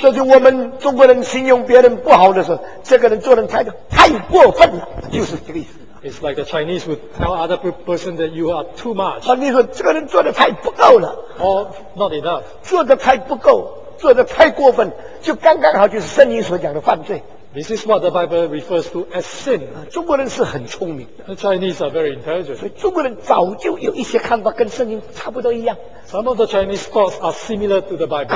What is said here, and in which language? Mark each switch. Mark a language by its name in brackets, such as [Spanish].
[Chinese] 这就我们中国人形容别人不好的时候，这个人做人太过分了，就是这个意思。 [English] It's like the Chinese would tell other person that you are too much. [Chinese] 啊，你说这个人做的太不够了。 [English] Or not enough. [Chinese] 做的太不够，做的太过分，就刚刚好就是圣经所讲的犯罪。 [English] This is what the Bible refers to as sin. [Chinese] 中国人是很聪明的。 [English] The Chinese are very intelligent. [Chinese] 所以中国人早就有一些看法跟圣经差不多一样。 [English] Some of the Chinese thoughts are similar to the Bible.